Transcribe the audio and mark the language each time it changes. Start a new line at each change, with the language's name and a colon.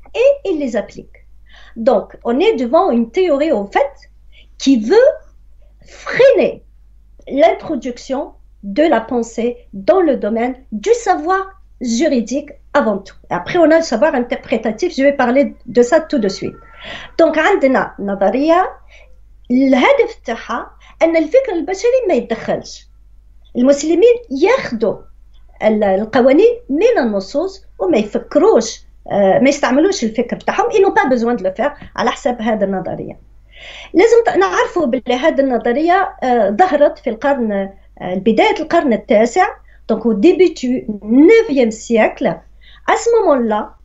French: Et il les applique. Donc, on est devant une théorie, en fait, qui veut freiner l'introduction de la pensée dans le domaine du savoir juridique avant tout. Après, on a le savoir interprétatif, je vais parler de ça tout de suite.
Arabic: Donc, عندنا نظرية الهدف تاعها أن الفكر البشري ما يدخلش. المسلمين ياخذوا القوانين من النصوص وما يفكروش ما يستعملوش الفكر بتاعهم
French: ils n'ont pas besoin de le faire
Arabic: على حساب هذه النظرية لازم نعرفوا باللي هذه النظرية ظهرت في القرن بداية القرن التاسع
French: donc au début du 9e siècle à ce moment-là